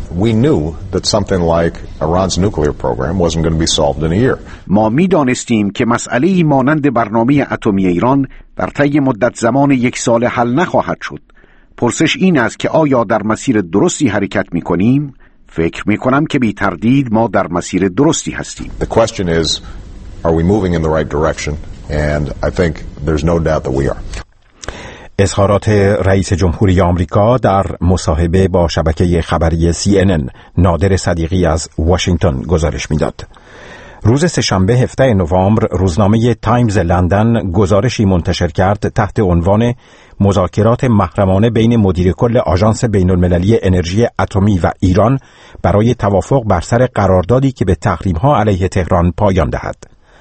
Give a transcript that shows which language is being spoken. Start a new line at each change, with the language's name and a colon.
English: We knew that something like Iran's nuclear program wasn't going to be solved in a year.
Persian: ما می‌دانستیم که مسئله‌ای مانند برنامه اتمی ایران در طی مدت زمان 1 سال حل نخواهد شد. پرسش این است که آیا در مسیر درستی حرکت می‌کنیم؟ فکر می کنم که بی تردید ما در مسیر درستی هستیم.
English: The question is, are we moving in the right direction? And I think there's no doubt that we are.
Persian: اظهارات رئیس جمهوری آمریکا در مصاحبه با شبکه خبری CNN نادر صدیقی از واشنگتن گزارش می‌داد. روز سه‌شنبه 17 نوامبر روزنامه تایمز لندن گزارشی منتشر کرد تحت عنوان مذاکرات محرمانه بین مدیر کل آژانس بین‌المللی انرژی اتمی و ایران برای توافق بر سر قراردادی که به تحریم‌ها علیه تهران پایان دهد.